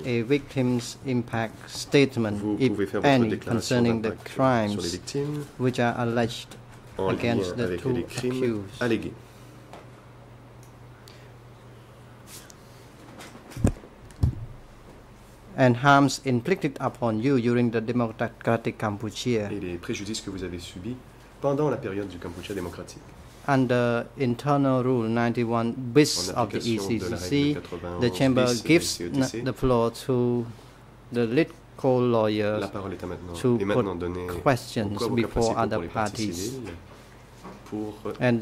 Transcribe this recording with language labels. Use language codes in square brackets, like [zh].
[en] a victim's impact statement, if any, concerning the crimes which are alleged against the two accused. [fr] Allégués. [en] And harms inflicted upon you during the democratic Cambodia. [fr] Et les préjudices que vous avez subis pendant la période du Cambodia démocratique. [en] Under internal rule 91 bis of the ECCC, the chamber gives the floor to the lead co-lawyers [fr] La parole est à maintenant, [en] to [fr] est maintenant donné [en] put questions before other parties [fr] pour [en] and